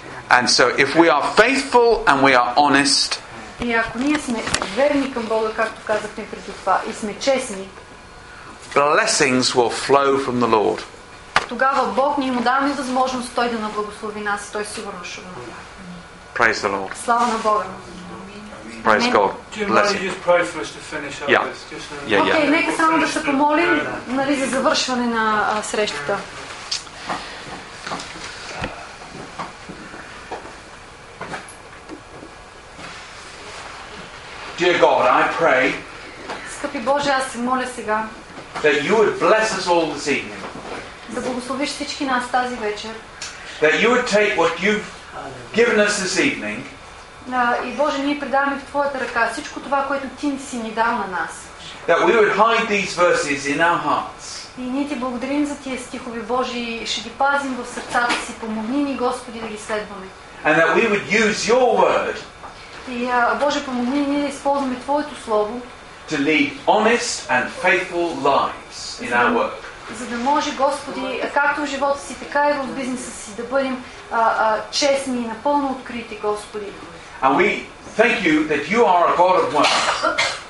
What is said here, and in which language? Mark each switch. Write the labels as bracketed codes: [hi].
[en] And so, if we are faithful and we are honest... [bg] И ако ние сме верни към Бога, както казахме преди това, и сме честни... [en] Blessings will flow from the Lord. [bg] Тогава Бог ни му даваме възможност той да наблагослови нас и той сигурно ще го направи. [en] Praise the Lord. [bg] Слава на Бога. [en] Praise Amen. God. Bless you. Just pray for us to finish up this. Yeah. Okay, [bg] нека само да се помолим, нали, за завършване на срещата. [en] Dear God, I pray. [bg] Скъпи Боже, аз се моля сега. [en] That you would bless us all this evening. [bg] Да благословиш всички нас тази вечер. [en] That you would take what you've given us this evening. [bg] И Боже, ние предаваме в Твоята ръка всичко това, което Ти си ни дал на нас. [en] That we would hide these verses in our hearts. [bg] И ние Ти благодарим за тия стихове, Боже, и ще ги пазим в сърцата си. Помогни ни, Господи, да ги следваме. [en] And that we would use your word. [bg] И Боже, помогни ние да използваме Твоето слово. [en] To lead honest and faithful lives in our work. [bg] За да може, Господи, както в живота си, така и в бизнеса си, да бъдем честни и напълно открити, Господи. [en] And we thank you that you are a God of work.